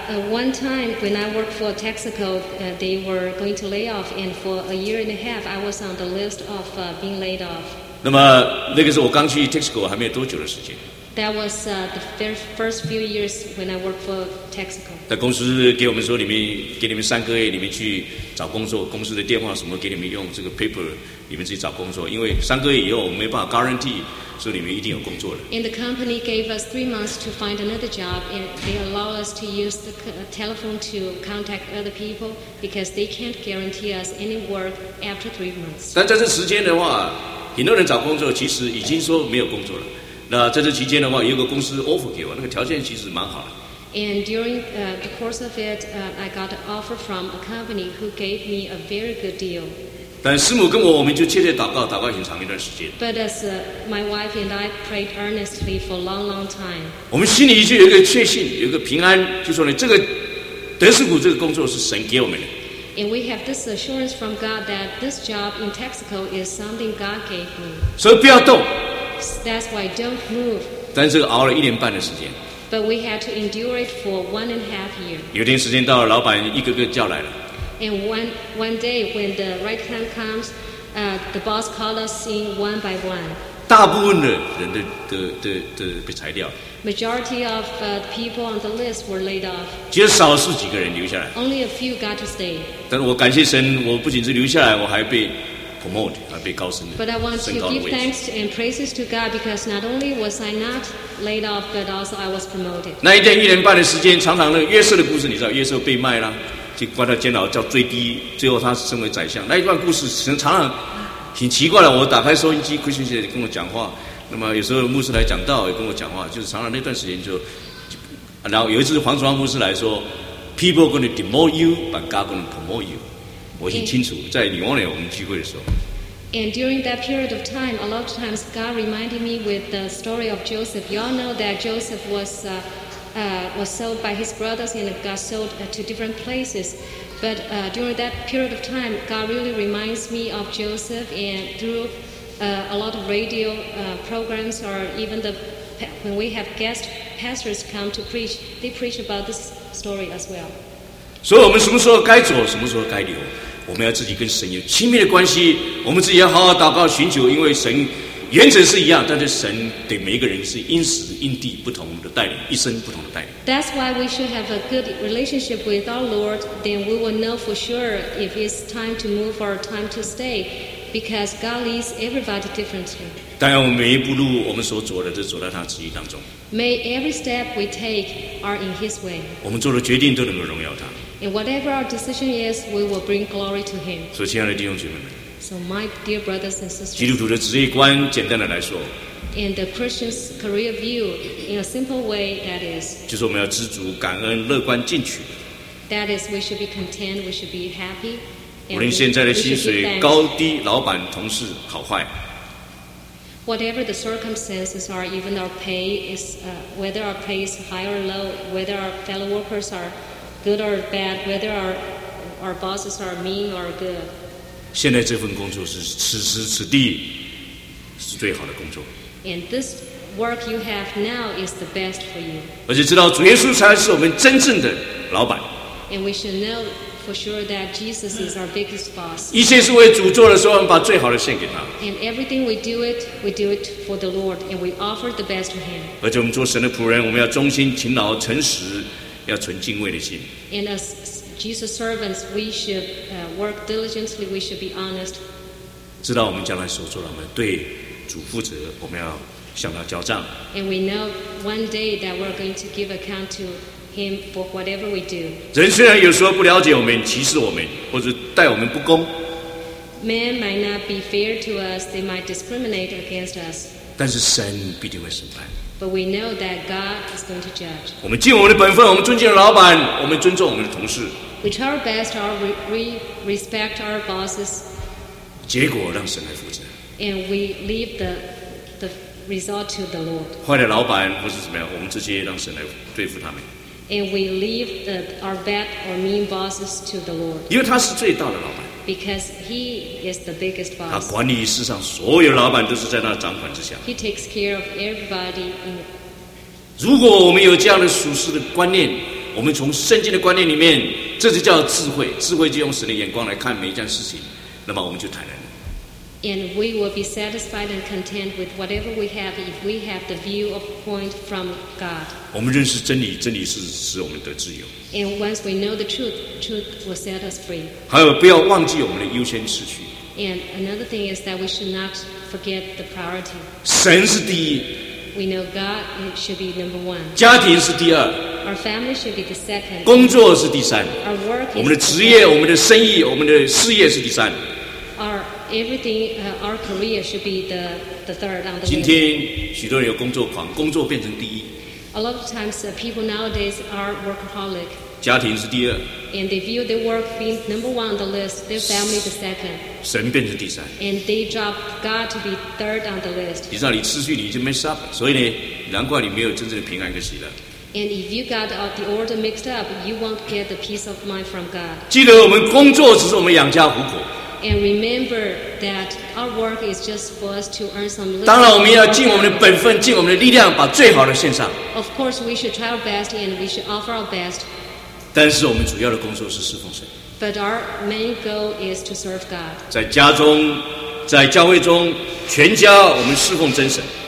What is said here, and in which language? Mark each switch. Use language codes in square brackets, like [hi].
[en] One time when I worked for Texaco, they were going to lay off, and for a year and a half, I was on the list of being laid off. [zh] 那么那个是我刚去 Texaco 还没有多久的时间。 [en] That was the very first few years when I worked for Texaco. [zh] 那公司给我们说，给你们三个月，你们去找工作，公司的电话什么给你们用，这个 paper 你们自己找工作，因为三个月以后我没办法 guarantee。所以你们一定有工作了。 [en] And the company gave us 3 months to find another job, and they allow us to use the telephone to contact other people because they can't guarantee us any work after 3 months. [zh] 但在这时间的话，很多人找工作其实已经说没有工作了。那在这期间的话，有个公司 offer 给我，那个条件其实蛮好的。 [en] And during the course of it, I got an offer from a company who gave me a very good deal. [zh] 但师母跟我们就切切祷告，祷告很长一段时间。 [en] But as my wife and I prayed earnestly for a long, long time. [zh] 我们心里就有一个确信，有一个平安，就说呢，这个德士古这个工作是神给我们的。 [en] And we have this assurance from God that this job in Texaco is something God gave me. [zh] 所以不要动。 [en] That's why don't move. [zh] 但是熬了一年半的时间。 [en] But we had to endure it for 1.5 years. [zh] 有点时间到了，老板一个个叫来了。 [en] And one day when the right time comes, the boss called us in one by one. [zh] 大部分的人的被裁掉。 [en] Majority of the people on the list were laid off. [zh] 只有少数几个人留下来。 [en] Only a few got to stay. [zh] 但我感谢神，我不仅是留下来，我还被 promote， 还被高升了。 [en] But I want to give thanks and praises to God because not only was I not laid off, but also I was promoted. [zh] 那一年半的时间，常常那个约瑟的故事，你知道，约瑟被卖了。就关到监牢叫最低，最后他身为宰相。那一段故事常常挺奇怪的。我打开收音机 ，Christian 姐跟我讲话。那么有时候牧师来讲道也跟我讲话，就是常常那段时间就，然后有一次黄祖安牧师来说， [en] people are going to demote you, but God is going to promote you. [zh] 我很清楚，在纽约我们聚会的时候。 [en] And during that period of time, a lot of times God reminded me with the story of Joseph. You all know that Joseph was sold by his brothers and got sold to different places. But during that period of time, God really reminds me of Joseph. And through a lot of radio programs or even when we have guest pastors come to preach, they preach about this story as well. So we [zh] 什么时候该走，什么时候该留？我们要自己跟神有亲密的关系，我们自己要好好祷告寻求，因为神原则是一样，但是神对每一个人是因时因地不同的带领，一生不同的带领。 [en] That's why we should have a good relationship with our Lord. Then we will know for sure if it's time to move or time to stay, because God leads everybody differently. [zh] 当然，我们每一步路我们所走的，都走在他旨意当中。 [en] May every step we take are in His way. [zh] 我们做的决定都能够荣耀他。 [en] And whatever our decision is, we will bring glory to Him. [zh] So, 亲爱的弟兄姐妹们, [en] so my dear brothers and sisters, [zh] 基督徒的职业观简单的来说, [en] in the Christian's career view, in a simple way, that is, [zh] 就是我们要知足、感恩、乐观、进取。 [en] That is, we should be content, we should be happy. [zh] 无论现在的薪水高低、老板、同事好坏。 [en] Whatever the circumstances are, even our pay is, whether our pay is high or low, whether our fellow workers are good or bad, whether our bosses are mean or good. [zh] 现在这份工作是此时此地是最好的工作。 [en] And this work you have now is the best for you. [zh] 而且知道主耶稣才是我们真正的老板。 [en] And we should know for sure that Jesus is our biggest boss. [zh] 一切是为主做的时候，我们把最好的献给他。 [en] And everything we do it for the Lord, and we offer the best to Him. [zh] 而且我们做神的仆人，我们要忠心、勤劳、诚实。要存敬畏的心。 [en] And as Jesus' servants, we should work diligently. We should be honest. [zh] 知道我们将来所做的，我们对主负责，我们要向他交账。 [en] And we know one day that we're going to give account to Him for whatever we do. [zh] 人虽然有时候不了解我们、歧视我们，或者待我们不公 [en] ，Man might not be fair to us. They might discriminate against us. [zh] 但是神必定会审判。 [en] But we know that God is going to judge. [zh] 我们尽我们的本分，我们尊敬老板，我们尊重我们的同事。 [en] We try our best, we respect our bosses. [zh] 结果让神来负责。 [en] And we leave the result to the Lord. [zh] 坏的老板或是怎么样，我们直接让神来对付他们。 [en] And we leave our bad or mean bosses to the Lord. [zh] 因为他是最大的老板。 [en] Because he is the biggest boss. [zh] 他管理世上所有老板都是在他掌管之下。 [en] He takes care of everybody. [zh] 如果我们有这样的属世的观念，我们从圣经的观念里面，这就叫智慧。智慧就用神的眼光来看每一件事情，那么我们就坦然了。 [en] And we will be satisfied and content with whatever we have if we have the view of point from God. [zh] 我们认识真理，真理是使我们得自由。 [en] And once we know the truth, truth will set us free. [zh] 还有，不要忘记我们的优先次序。 [en] And another thing is that we should not forget the priority. [zh] 神是第一。 [en] We know God should be number one. [zh] 家庭是第二。 [en] Our family should be the second. [zh] 工作是第三。 [en] Our work. [zh] 我们的职业、我们的生意、我们的事业是第三。 [en] Everything, our career should be the third on the list. [zh] 今天许多人有工作狂，工作变成第一。 [en] A lot of times, people nowadays are workaholic. [zh] 家庭是第二。 [en] And they view their work being number one on the list, their family the second. [zh] 神变成第三。 [en] And they drop God to be third on the list. [zh] 你知道你失去你就 [en] mess up， [zh] 所以呢，难怪你没有真正的平安跟喜乐。 [en] And if you got the order mixed up, you won't get the peace of mind from God. [zh] 记得我们工作只是我们养家糊口。 [en] And remember that our work is just for us to earn some living. [zh] 当然，我们要尽我们的本分，尽我们的力量，把最好的献上。 [en] Of course, we should try our best and we should offer our best. [zh] 但是，我们主要的工作是侍奉神。 [en] But our main goal is to serve God. [zh] 在家中，在教会中，全家我们侍奉真神。